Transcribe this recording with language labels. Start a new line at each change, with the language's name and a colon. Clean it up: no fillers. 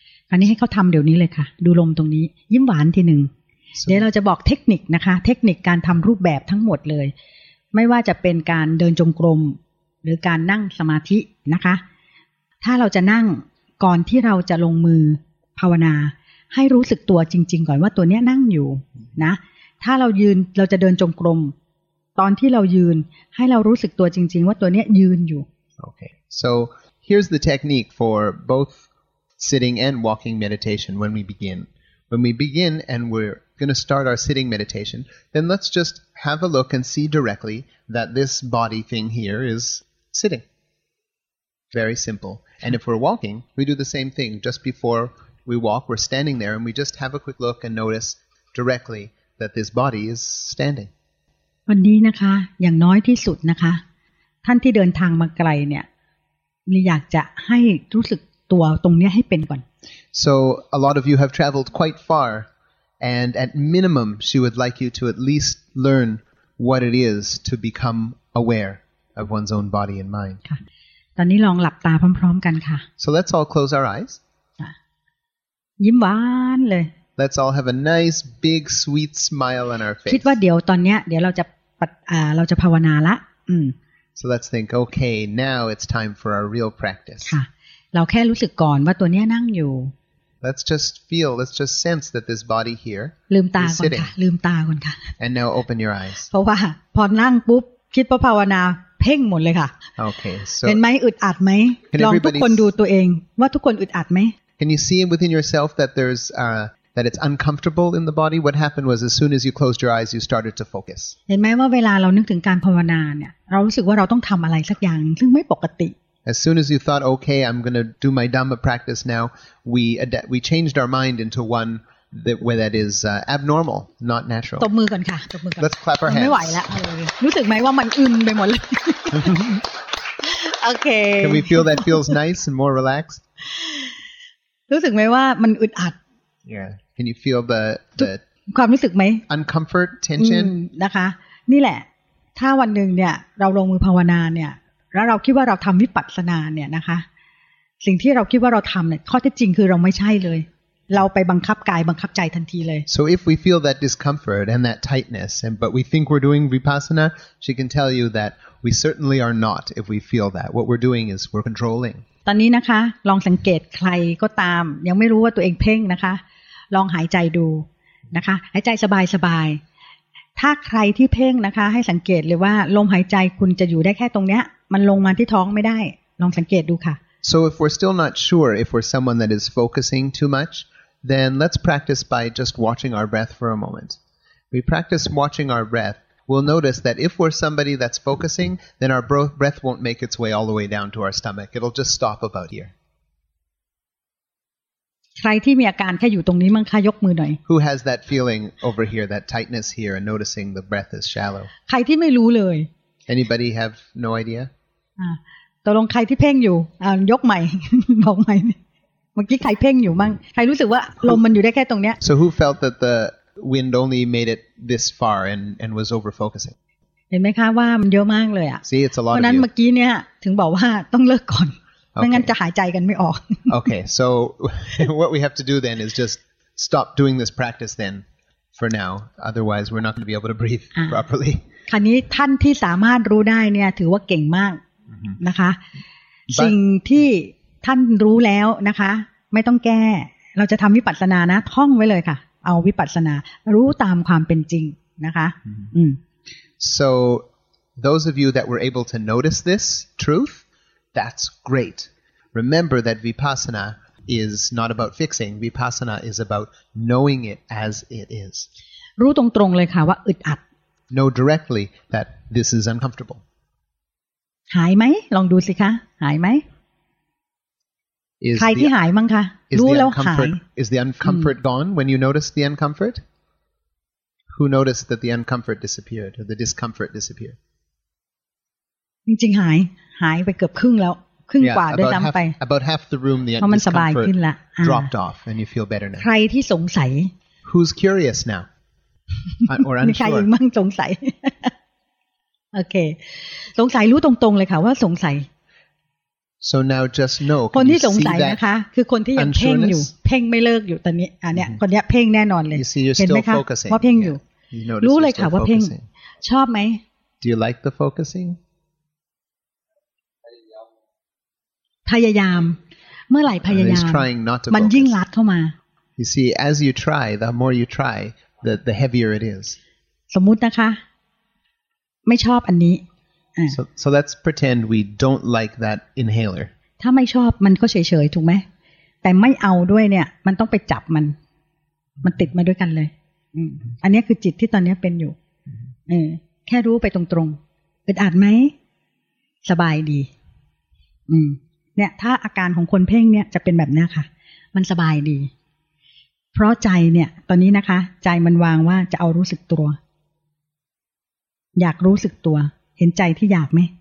Thai: อันนี้ให้เขาทำเดี๋ยวนี้เลยค่ะดูลมตรงนี้ยิ้มหวานทีหนึ่งเดี๋ยวเราจะบอกเทคนิคนะคะเทคนิคการทำรูปแบบทั้งหมดเลยไม่ว่าจะเป็นการเดินจงกรมหรือการนั่งสมาธินะคะถ้าเราจะนั่งก่อนที่เราจะลงมือภาวนาให้รู้สึกตัวจริงๆก่อนว่าตัวเนี้ยนั่งอยู่นะถ้าเรายืนเราจะเดินจงกรมตอนที่เรายืนให้เรารู้สึกตัวจริงๆว่าตัวเนี้ยยืนอยู่
English: Okay so here's the technique for both sitting and walking meditation when we begin and we're going to start our sitting meditation then let's just have a look and see directly that this body thing here is sitting very simple and if we're walking we do the same thing just before we walk we're standing there and we just have a quick look and notice directlyThat this body is standing.
Thai: วันนี้นะคะอย่างน้อยที่สุดนะคะท่านที่เดินทางมาไกลเนี่ยมีอยากจะให้รู้สึกตัวตรงนี้ให้เป็นก่อน
English: So a lot of you have traveled quite far, and at minimum, she would like you to at least learn what it is to become aware of one's own body and mind.
Thai: ค่ะตอนนี้ลองหลับตาพร้อมๆกันค่ะ
English: So let's all close our eyes.
Thai: ยิ้มหวานเลย
English: Let's all have a nice, big, sweet smile on our face.
Thai: คิดว่าเดี๋ยวตอนเนี้ยเดี๋ยวเราจะภาวนาละ
English: So let's think. Okay, now it's time for our real practice.
Thai: ค่ะเราแค่รู้สึกก่อนว่าตัวเนี้ยนั่งอยู่
English: Let's just feel. Let's just sense that this body here.
Thai: ลืมตาก่อนค่ะลืมตาก่อนค่ะ
English: And now open your eyes.
Thai: เพราะว่าพอนั่งปุ๊บคิดว่าภาวนาเพ่งหมดเลยค่ะ
English: Okay.
Thai: เห็นไหมอึดอัดไหมลองทุกคนดูตัวเองว่าทุกคนอึดอัดไหม
English: Can you see within yourself that there's that it's uncomfortable in the body what happened was as soon as you closed your eyes you started to focus
Thai: เห็นมั้ยว่าเวลาเรานึกถึงการภาวนาเนี่ยเรารู้สึกว่าเราต้องทําอะไรสักอย่างซึ่งไม่ปกติ
English: As soon as you thought okay I'm going to do my dhamma practice now we changed our mind into one where that is abnormal, not natural.
Thai: ตบมือก่อนค่ะตบมือก่อน
English: Let's clap our hands.
Thai: ไม่ไหวแล้วรู้สึกไหมว่ามันอึมไปหมดเลยโอเค
English: Can we feel that feels nice and more relaxed?
Thai: รู้สึกไหมว่ามันอึดอัด
English: Yeah. Can you feel the
Thai: ความรู้สึกไหม
English: Uncomfort, tension.
Thai: นะคะนี่แหละถ้าวันหนึ่งเนี่ยเราลงมือภาวนาเนี่ยแล้วเราคิดว่าเราทำวิปัสสนาเนี่ยนะคะสิ่งที่เราคิดว่าเราทำเนี่ยข้อเท็จจริงคือเราไม่ใช่เลยเราไปบังคับกายบังคับใจทันทีเลย
English: So if we feel that discomfort and that tightness and but we think we're doing vipassana she can tell you that we certainly are not if we feel that what we're doing is we're controlling
Thai: ตอนนี้นะคะลองสังเกตใครก็ตามยังไม่รู้ว่าตัวเองเพ่งนะคะลองหายใจดูนะคะหายใจสบายๆถ้าใครที่เพ่งนะคะให้สังเกตเลยว่าลมหายใจคุณจะอยู่ได้แค่ตรงเนี้ยมันลงมาที่ท้องไม่ได้ลองสังเกตดูค่ะ
English: So if we're still not sure if we're someone that is focusing too muchThen let's practice by just watching our breath for a moment. We practice watching our breath. We'll notice that if we're somebody that's focusing, then our breath won't make its way all the way down to our stomach. It'll just stop about here.
Thai: ใครที่มีอาการแค่อยู่ตรงนี้มั้งคะยกมือหน่อย
English: Who has that feeling over here, that tightness here, and noticing the breath is shallow?
Thai: ใครที่ไม่รู้เลย
English: Anybody have no idea?
Thai: ตกลงใครที่เพ่งอยู่ยกใหม่บอกใหม่เมื่อกี้ใครเพ่งอยู่มั้งใครรู้สึกว่าลมมันอยู่ได้แค่ตรงเนี้ย
English: So who felt that the wind only made it this far and was over focusing
Thai: เห็นไหมคะว่ามันเยอะมากเลยอ่ะ
English: See it's a lot
Thai: เพราะนั้นเมื่อกี้เนี่ยถึงบอกว่าต้องเลิกก่อนไม่งั้นจะหายใจกันไม่ออก
English: Okay so what we have to do then is just stop doing this practice then for now otherwise we're not going to be able to breathe properly
Thai: คราวนี้ท่านที่สามารถรู้ได้เนี่ยถือว่าเก่งมากนะคะสิ่งที่ท่านรู้แล้วนะคะไม่ต้องแก้เราจะทำวิปัสสนานะท่องไว้เลยค่ะเอาวิปัสสนารู้ตามความเป็นจริงนะคะ
English: So those of you that were able to notice this truth that's great remember that vipassana is not about fixing vipassana is about knowing it as it is
Thai: รู้ตรงๆเลยค่ะว่าอึดอัด
English: Know directly that this is uncomfortable
Thai: หายไหมลองดูสิคะหายไหมใครที่หายมั้งคะรู้แล้วหาย
English: Is the uncomfort gone when you notice the uncomfort? Who noticed that the uncomfort disappeared or the discomfort disappeared?
Thai: จริงๆหายไปเกือบครึ่งแล้วครึ่งกว่าด้วยซ้ำไป
English: About half the room the uncomfort dropped off and you feel better now.
Thai: ใครที่สงสัย
English: Who's curious now? Or unsure?
Thai: ใครมั่งสงสัยโอเคสงสัยรู้ตรงๆเลยค่ะว่าสงสัย
English: So now just know
Thai: คนที่สงสัยนะคะคือคนที่ยังเพ่งอยู่เพ่งไม่เลิกอยู่ตอนนี้เนี่ยคนนี้เพ่งแน่นอนเลยเห็ นไหมคะว่าเพ่งอยู่ รู้เลยค่ะว่าเพ่งชอบไหม
English: Do you like the focusing
Thai: พยายามเมื่อไหร่พยายามมันยิ่งรัดเข้ามา
English: You see as you try the more you try the heavier it is
Thai: สมมตินะคะไม่ชอบอันนี้
English: So let's pretend we don't like that inhaler.
Thai: ถ้าไม่ชอบมันก็เฉยๆถูกไหมแต่ไม่เอาด้วยเนี่ยมันต้องไปจับมันติดมาด้วยกันเลยอันนี้คือจิตที่ตอนนี้เป็นอยู่เออแค่รู้ไปตรงๆอึดอัดไหมสบายดีเนี่ยถ้าอาการของคนเพ่งเนี่ยจะเป็นแบบนี้ค่ะมันสบายดีเพราะใจเนี่ยตอนนี้นะคะใจมันวางว่าจะเอารู้สึกตัวอยากรู้สึกตัวเห็นใจที่อยากไหม